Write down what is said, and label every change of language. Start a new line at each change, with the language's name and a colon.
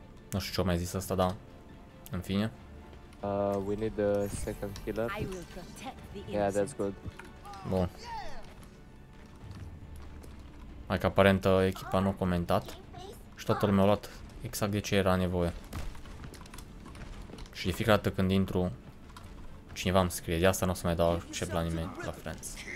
Romanian: Nu știu ce-o mai zis asta, dar în fine.
English: We need the second killer. Yeah, that's good.
Romanian: Bun. Mai că aparent echipa nu a comentat. Și toată lumea a luat exact de ce era nevoie. Și de fiecare dată când intru, cineva îmi scrie. De asta nu o să mai dau accept la nimeni, la friends.